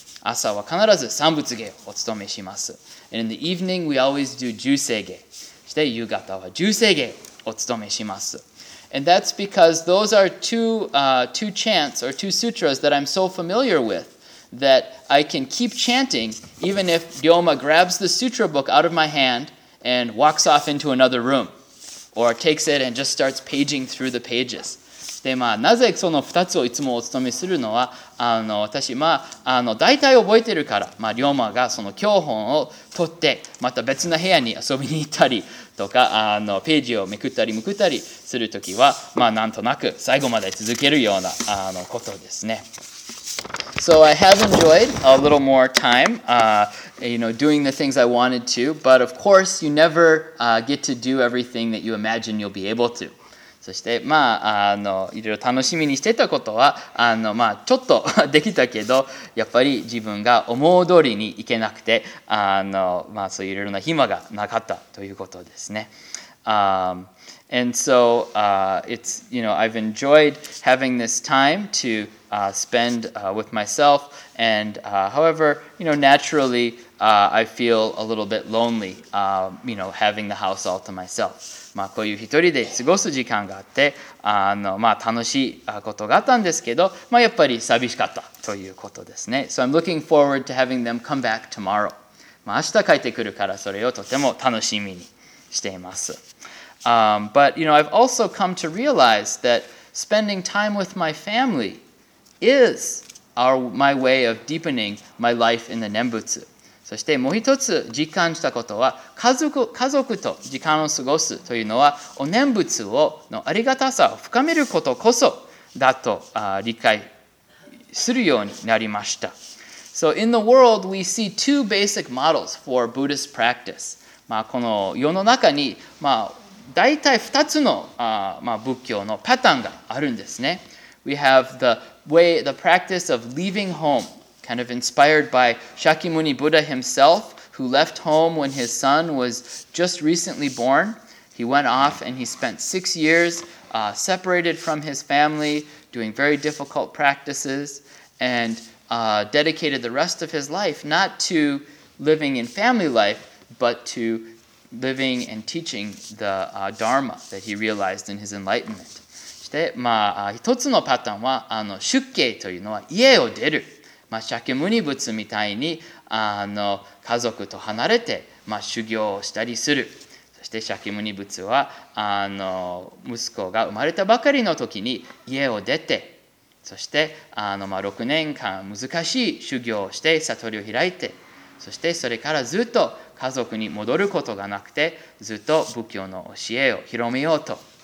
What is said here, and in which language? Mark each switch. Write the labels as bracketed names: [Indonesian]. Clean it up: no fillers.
[Japanese] 朝は必ず三仏偈をお勤めします。 [English] And in the evening, we always do 十声偈。 [Japanese] そして夕方は十声偈をお勤めします。 [English] And that's because those are two chants or two sutras that I'm so familiar with that I can keep chanting even if Ryoma grabs the sutra book out of my hand and walks off into another room or takes it and just starts paging through the pages. [Japanese] で、なぜその2つをいつもお勤めするのは、私、大体覚えてるから、龍馬がその教本を取って、また別の部屋に遊びに行ったりとか、ページをめくったりむくったりするときは、なんとなく最後まで続けるようなことですね。 [English] So I have enjoyed a little more time, doing the things I wanted to, but of course you never, get to do everything that you imagine you'll be able to. [Japanese] そして、いろいろ楽しみにしてたことは、ちょっとできたけど、やっぱり自分が思う通りにいけなくて、そういういろいろな暇がなかったということですね。 [English] And so, it's, I've enjoyed having this time to, spend, with myself. And, however, naturally, I feel a little bit lonely, having the house all to myself. [Japanese] こういう一人で過ごす時間があって、楽しいことがあったんですけど、やっぱり寂しかったということですね。 [English] So I'm looking forward to having them come back tomorrow. [Japanese] 明日帰ってくるからそれをとても楽しみにしています。 [English] But, I've also come to realize that spending time with my family is our, my way of deepening my life in the 念仏。 [Japanese] そしてもう一つ実感したことは家族と時間を過ごすというのはお念仏をのありがたさを深めることこそだと理解するようになりました。 [English] So in the world, we see two basic models for Buddhist practice. [Japanese] まあこの世の中に、まあ大体2つの、まあ仏教のパターンがあるんですね。 [English] We have the way, the practice of leaving home, kind of inspired by Shakyamuni Buddha himself, who left home when his son was just recently born. He went off and he spent 6 years separated from his family, doing very difficult practices, and dedicated the rest of his life not to living in family life, but to living and teaching the Dharma that he realized in his enlightenment. [Japanese] で、まあ、一つのパターンは、あの、出家というのは家を出る。まあ、シャケムニ仏みたいに、あの、家族と離れて、まあ、修行をしたりする。そして、シャケムニ仏は、あの、息子が生まれたばかりの時に家を出て、そして、あの、まあ、6年間難しい修行をして悟りを開いて、そして、それからずっと家族に戻ることがなくて、ずっと仏教の教えを広めようと。